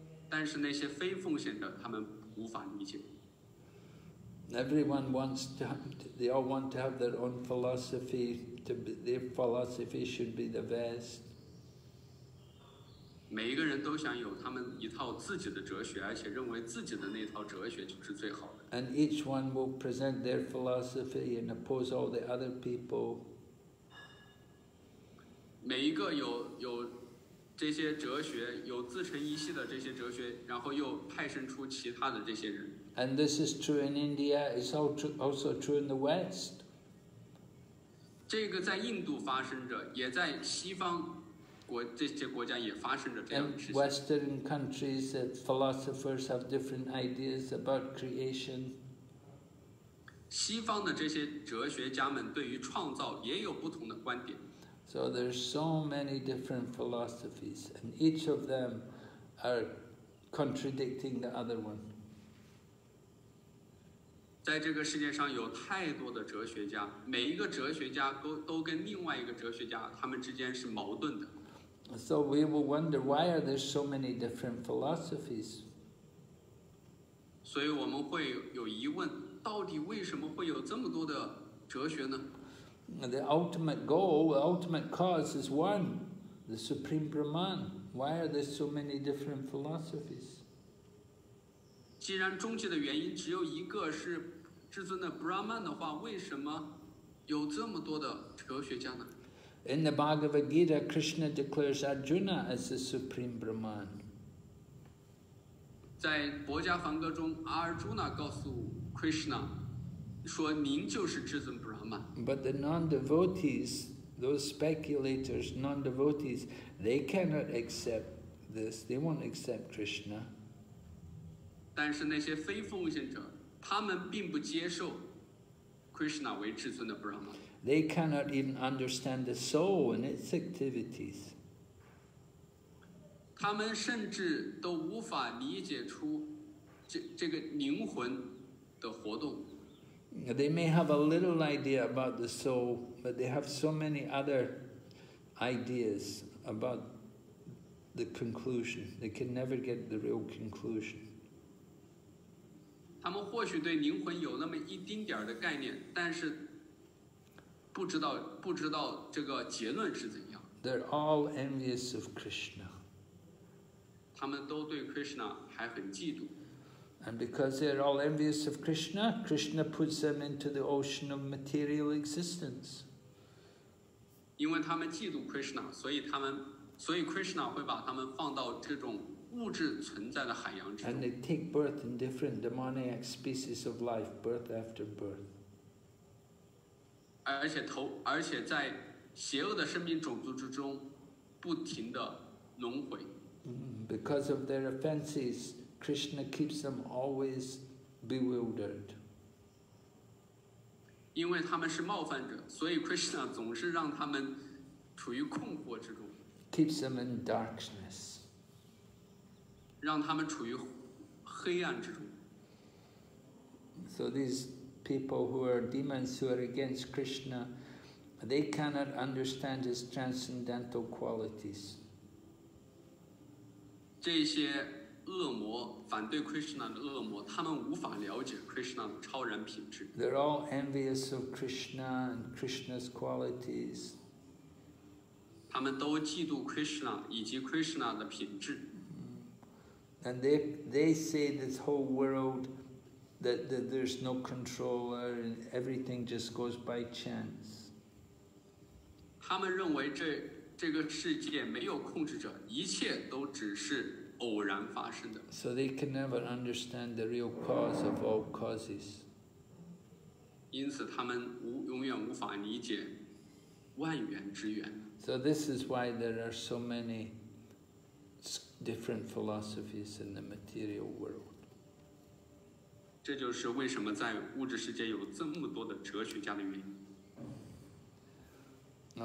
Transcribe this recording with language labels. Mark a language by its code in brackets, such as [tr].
[zh] 但是那些非奉献者，他们无法理解。 [en] Everyone wants to, they all want to have their own philosophy. Their philosophy should be the best. [zh] 每一个人都想有他们一套自己的哲学，而且认为自己的那套哲学就是最好的。 [en] And each one will present their philosophy and oppose all the other people. [zh] 每一个有这些哲学有自成一系的这些哲学，然后又派生出其他的这些人。 [en] And this is true in India. It's also true in the West. [zh] 这个在印度发生着，也在西方国这些国家也发生着这样的事情。 [en] In Western countries, that philosophers have different ideas about creation. [zh] 西方的这些哲学家们对于创造也有不同的观点。 [en] So there's so many different philosophies, and each of them are contradicting the other one. [zh] 在这个世界上有太多的哲学家，每一个哲学家都跟另外一个哲学家，他们之间是矛盾的。 [en] So we will wonder why are there so many different philosophies? [zh] 所以我们会有疑问，到底为什么会有这么多的哲学呢？ [en] The ultimate goal, the ultimate cause is one, the Supreme Brahman. Why are there so many different philosophies? [zh] 既然终极的原因只有一个是至尊的 Brahman 的话，为什么有这么多的哲学家呢？ [en] In the Bhagavad Gita, Krishna declares Arjuna as the Supreme Brahman. [zh] 在博迦梵歌中，阿尔朱纳告诉 Krishna,说您就是至尊 Brahman. [en] But the non-devotees, those speculators, non-devotees, they cannot accept this. They won't accept Krishna. [zh] 但是那些非奉献者，他们并不接受 Krishna 为至尊的 Brahma。 [en] They cannot even understand the soul and its activities。 [zh] 他们甚至都无法理解出这个灵魂的活动。 [en] They may have a little idea about the soul, but they have so many other ideas about the conclusion. They can never get the real conclusion. [zh] 他们或许对灵魂有那么一丁点的概念，但是不知道这个结论是怎样。 [en] They're all envious of Krishna. [zh] 他们都对 Krishna 还很嫉妒。 [en] And because they're all envious of Krishna, Krishna puts them into the ocean of material existence. [zh] 因为他们嫉妒 Krishna, 所以 Krishna 会把他们放到这种物质存在的海洋之中。 [en] And they take birth in different demoniac species of life, birth after birth. [zh] 而且在邪恶的生命种族之中不停地轮回。 [en] Because of their offenses,Krishna keeps them always bewildered. [zh] 因为他们是冒犯者，所以 Krishna 总是让他们处于困惑之中。 [en] Keeps them in darkness. [zh] 让他们处于黑暗之中。 [en] So these people who are demons who are against Krishna, they cannot understand his transcendental qualities. [zh] 这些恶魔反对 Krishna 的恶魔，他们无法了解 Krishna 的超然品质。 [en] They're all envious of Krishna and Krishna's qualities. [zh] 他们都嫉妒 Krishna 以及 Krishna 的品质。 [en] And they say this whole world that there's no controller and everything just goes by chance. [zh] 他们认为这个世界没有控制者，一切都只是。 [en] So they can never understand the real cause of all causes. [zh] 因此他们永远无法理解万缘之源。 [en] So this is why there are so many different philosophies in the material world. [zh] 这就是为什么在物质世界有这么多的哲学家的原因。